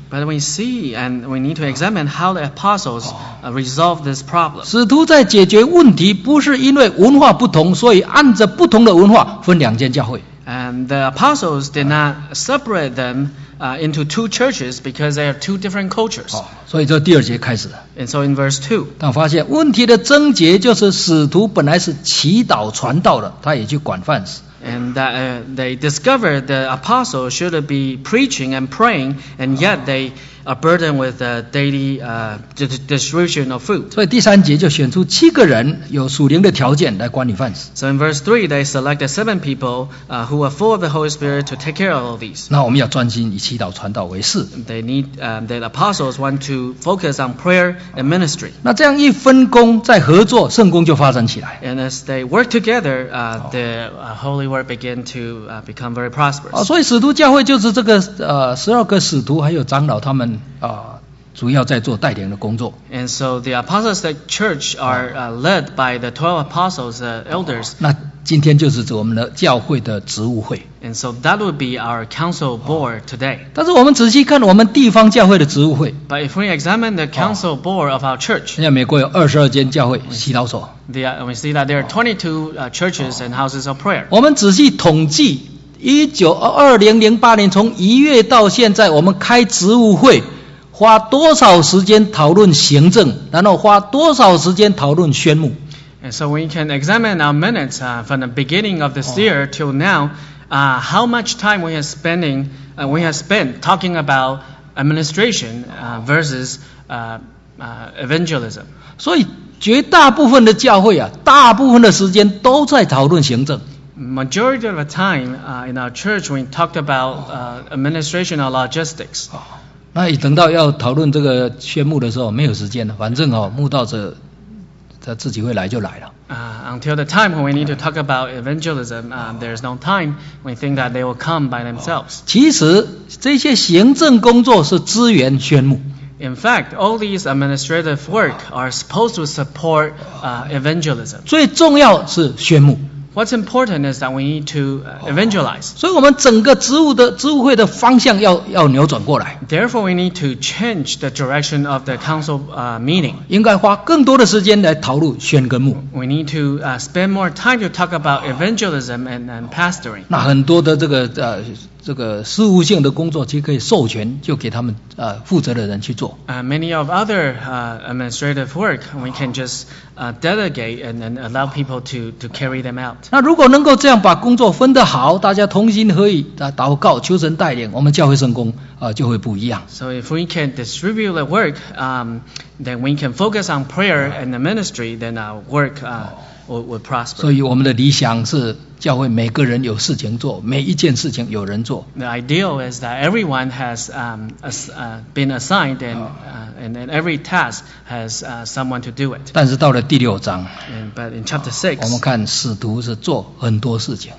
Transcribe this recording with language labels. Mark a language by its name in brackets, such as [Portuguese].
[English] But we see and we need to examine how the apostles resolve this problem. [Chinese] 使徒在解决问题不是因为文化不同，所以按着不同的文化分两间教会。 [English] And the apostles did not separate them into two churches because they are two different cultures. [Chinese] 所以这第二节开始。 [English] And so in verse 2. [Chinese] 但发现问题的症结就是使徒本来是祈祷传道的，他也去管饭食。 [English] And that they discovered the apostles should be preaching and praying, and yet they are burdened with the daily distribution of food. [Chinese] 所以第三节就选出七个人有属灵的条件来管理饭食。 [English] So in verse 3, they selected seven people who are full of the Holy Spirit to take care of all these. [Chinese] 那我们要专心以祈祷传道为事。 [English] They need the apostles want to focus on prayer and ministry. [Chinese] 那这样一分工再合作，圣工就发展起来。 [English] And as they work together, the Holy Word began to become very prosperous. [Chinese] 所以使徒教会就是这个十二个使徒还有长老他们。主要在做带领的工作。 [English] And so the apostolic church are led by the 12 apostles, the elders. [Chinese] 那今天就是我们的教会的职务会。 [English] And so that would be our council board today. [Chinese] 但是我们仔细看我们地方教会的职务会。 [English] But if we examine the council board of our church, [Chinese] 现在美国有22间教会祈祷所。 [English] We see that there are 22 churches and houses of prayer. [Chinese] 我们仔细统计2008年从一月到现在，我们开职务会花多少时间讨论行政，然后花多少时间讨论宣牧。 [English] And so we can examine our minutes from the beginning of this year till now, how much time we have spent talking about administration versus evangelism. [Chinese] 所以绝大部分的教会大部分的时间都在讨论行政。 [English] Majority of the time in our church, we talked about administration or logistics. [Chinese] 那一等到要讨论这个宣牧的时候，没有时间了。反正牧道者他自己会来就来了。 [English] Until the time when we need to talk about evangelism, there is no time. We think that they will come by themselves. [Chinese] 其实这些行政工作是支援宣牧。 [English] In fact, all these administrative work are supposed to support evangelism. [Chinese] 最重要是宣牧。 [English] What's important is that we need to evangelize. [Chinese] 所以我们整个职务会的方向要扭转过来。 [English] Therefore, we need to change the direction of the council meeting. [Chinese] 应该花更多的时间来讨论宣跟牧。 [English] We need to spend more time to talk about evangelism and pastoring. [Chinese] 那很多的这个事务性的工作其实可以授权就给他们负责的人去做。 [English] Many of other administrative work we can just delegate and then allow people to carry them out. [Chinese] 那如果能够这样把工作分得好，大家同心合意祷告求神带领，我们教会圣工就会不一样。 [English] So if we can distribute the work, then we can focus on prayer and the ministry, then our work will prosper. [Chinese] 所以我们的理想是教会每个人有事情做，每一件事情有人做。 [English] The ideal is that everyone has been assigned and every task has someone to do it. [Chinese] 但是到了第六章 [English] but in chapter 6, [Chinese] 我们看使徒是做很多事情。